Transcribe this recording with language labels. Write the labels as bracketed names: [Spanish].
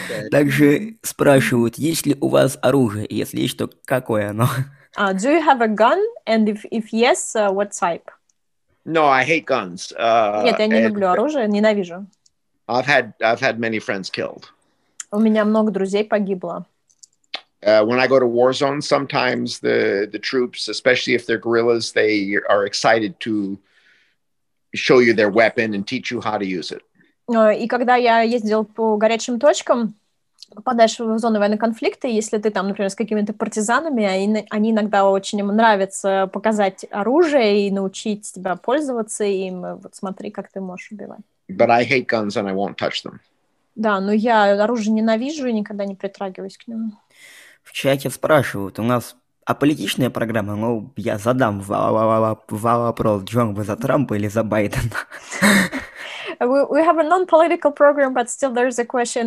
[Russian] Также спрашивают, есть ли у вас оружие, если есть, то какое оно? [English] Do you have a gun? And if yes, what type? No, I hate guns. [Russian] Нет, я не люблю оружие, ненавижу. [English] I've had many friends killed. [Russian] У меня много друзей погибло. [English] When I go to war zones, sometimes the troops, especially if they're guerrillas, they are excited to show you their weapon and teach you how to use it. [Russian] И когда я ездил по горячим точкам, попадаешь в зоны военных конфликтов, если ты там, например, с какими-то партизанами, они иногда очень им нравится показать оружие и научить тебя пользоваться им. Вот смотри, как ты можешь убивать. [English] But I hate guns and I won't touch them. [Russian] Да, но я оружие ненавижу и никогда не притрагиваюсь к нему. В чате спрашивают, у нас аполитичная программа, но я задам вопрос, Джон, вы за Трампа или за Байдена? [English] We have a non-political program, but still there is a question.